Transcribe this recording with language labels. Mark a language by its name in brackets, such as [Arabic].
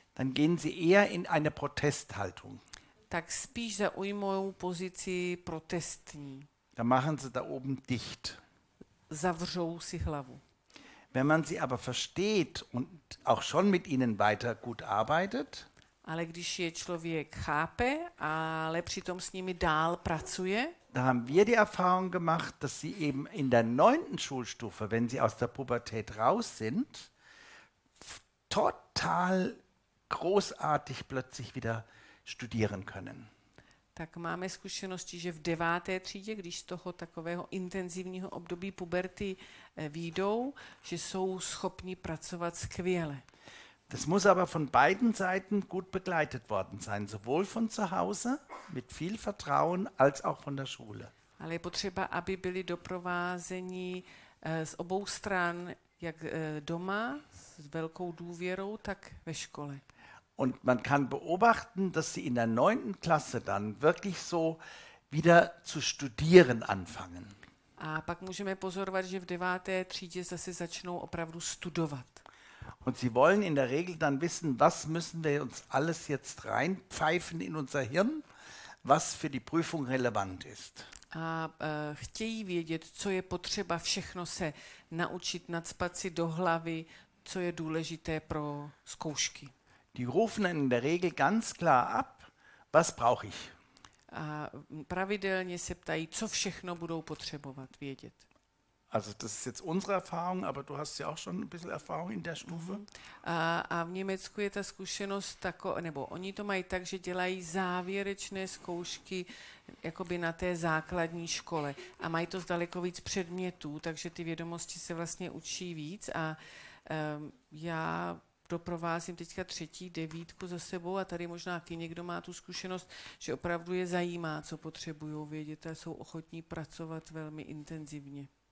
[German] dann gehen sie eher in eine Protesthaltung. [Czech] Tak spíš zaujmou pozici protestní. [German] Da machen sie da oben dicht. [Czech] Zavřou si hlavu. [German] Wenn man sie aber versteht und auch schon mit ihnen weiter gut arbeitet, [Czech] ale když je člověk chápe, ale přitom s nimi dál pracuje, [German] da haben wir die Erfahrung gemacht, dass sie eben in der neunten Schulstufe, wenn sie aus der Pubertät raus sind, total großartig plötzlich wieder studieren können. [Czech] Tak máme zkušenosti, že v deváté třídě, když z toho takového intenzivního období puberty vyjdou, že jsou schopni pracovat skvěle. [German] Das muss aber von beiden Seiten gut begleitet worden sein, sowohl von zu Hause mit viel Vertrauen als auch von der Schule. [Czech] Ale je potřeba, aby byli doprovázeni z obou stran, jak doma s velkou důvěrou, tak ve škole. [German] Und man kann beobachten, dass sie in der neunten Klasse dann wirklich so wieder zu studieren anfangen. [Czech] A pak můžeme pozorovat, že v deváté třídě zase začnou opravdu studovat. [German] Und sie wollen in der Regel dann wissen, was müssen wir uns alles jetzt reinpfeifen in unser Hirn, was für die Prüfung relevant ist. [Czech] A chtějí vědět, co je potřeba všechno se naučit, nacpat si do hlavy, co je důležité pro zkoušky. [German] Die rufen in der Regel ganz klar ab, was brauche ich. [Czech] A pravidelně se ptají, co všechno budou potřebovat vědět. [German] Also das ist jetzt unsere Erfahrung, aber du hast ja auch schon ein bisschen Erfahrung in der Stufe. [Czech] A v Německu je ta zkušenost taková, nebo oni to mají tak, že dělají závěrečné zkoušky jakoby na té základní škole a mají to daleko víc předmětů, takže ty vědomosti se vlastně učí víc a já doprovázím teďka třetí devítku za sebou a tady možná i někdo má tu zkušenost, že opravdu je zajímá, co potřebují vědět a jsou ochotní pracovat velmi intenzivně.